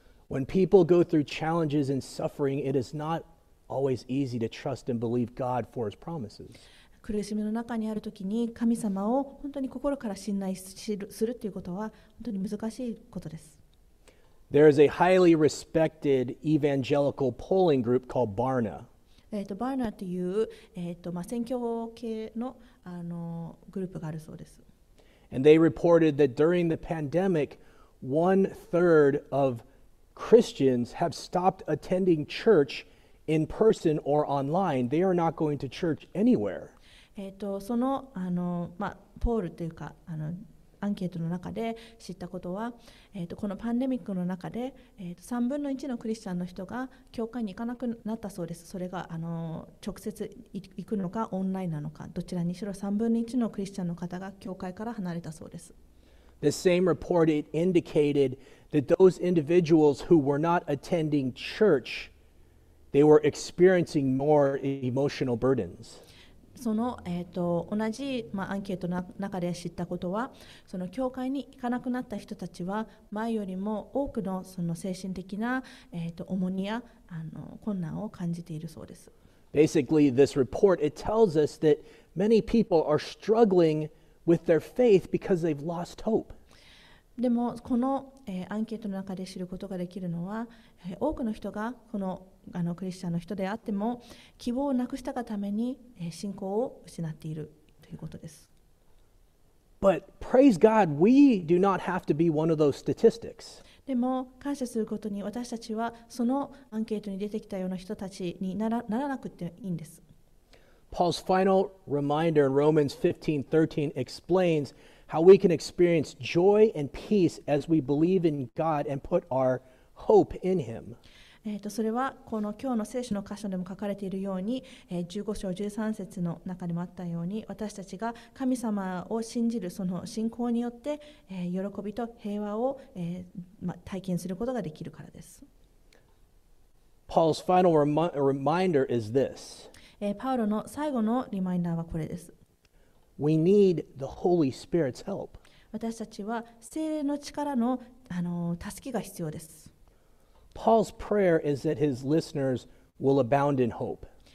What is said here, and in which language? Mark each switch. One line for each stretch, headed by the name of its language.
English: When people go through challenges and suffering, it is not always easy to trust and believe God for His promises.
Japanese: 苦しみの中にあるときに神様を本当に心から信頼するということは本当に難しいことです。
English: There is a highly respected evangelical polling group called Barna.
Japanese: Barna という、選挙系の、グループがあるそうです。
English: And they reported that during the pandemic, one third of Christians have stopped attending church in person or online. They are not going to church anywhere.
Japanese: その、ポールというか、アンケートの中で知ったことは、このパンデミックの中で、3分の1のクリスチャンの人が教会に行かなくなったそうです。それが直接行くのかオンラインなのか、どちらにしろ3分の1のクリスチャンの方が教会から離れたそうです。
English: The same report it indicated that those individuals who were not attending church, they were experiencing more emotional burdens.
Japanese: その、同じ、アンケートの中で知ったことは、その教会に行かなくなった人たちは、前よりも多くの、その精神的な、重荷や困難を感じているそうです。
English: Basically, this report, it tells us that many people are struggling with their faith because they've lost hope.
Japanese: でも、この、アンケートの中で知ることができるのは、多くの人がこのクリスチャンの人であっても希望をなくしたがために信仰を失っているということです。
English: But praise God, we do not have to be one of those statistics.
Japanese: でも感謝することに私たちはそのアンケートに出てきたような人たちにならなくていいんです。
English: Paul's final reminder in Romans 15:13 explains how we can experience joy and peace as we believe in God and put our hope in Him.
Japanese: それはこの今日の聖書の箇所でも書かれているように、15章13節の中でもあったように私たちが神様を信じるその信仰によって、喜びと平和を、体験することができるからです。
English: Paul's final reminder is this.
Japanese: パウロの最後のリマインダーはこれです。
English: We need the Holy Spirit's help.
Japanese: 私たちは聖霊の力の、助けが必要です。
English: Paul's prayer is that his listeners will abound in hope.